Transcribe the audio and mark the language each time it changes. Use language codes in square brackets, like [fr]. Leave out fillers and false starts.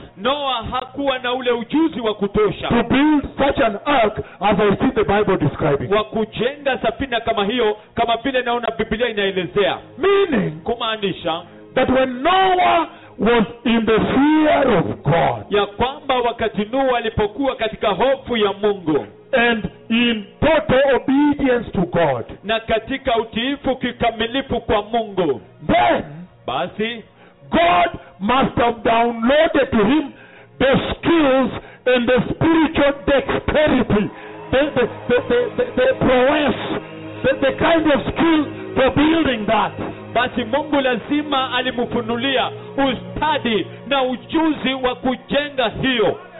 [sw] Noah hakuwa na ule ujuzi wa kutosha, [en] to build such an ark as I see the Bible describing, [sw] wa kujenga safina kama hiyo kama vile naona Biblia inaelezea. [en] Meaning, [sw] kumaanisha, [en] that when Noah was in the fear of God, [sw] ya kwamba wakati Nuhu alipokuwa katika hofu ya Mungu, [en] and in total obedience to God, [sw] na katika utiifu kikamilifu kwa Mungu, [en] then, [sw] basi, [en] God must have downloaded to him the skills and the spiritual dexterity, the prowess, the kind of skill for building that. [sw] Basi Mungu lazima alimufunulia ustadi na ujuzi wa kujenga hiyo.